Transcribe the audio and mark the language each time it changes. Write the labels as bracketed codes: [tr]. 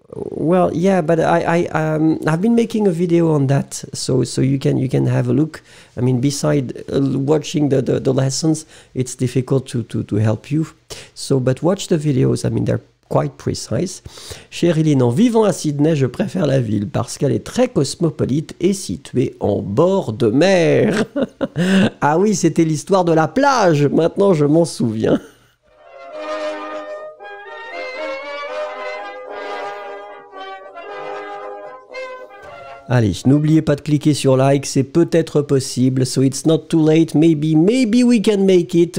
[en] Well, yeah, but I've been making a video on that, so you can have a look. I mean, beside watching the lessons, it's difficult to help you. So, but watch the videos. I mean, they're quite precise. [fr] Cheryline, en vivant à Sydney, je préfère la ville parce qu'elle est très cosmopolite et située en bord de mer. Ah oui, c'était l'histoire de la plage. Maintenant, je m'en souviens. Allez, n'oubliez pas de cliquer sur like, c'est peut-être possible. [en] So it's not too late, maybe we can make it.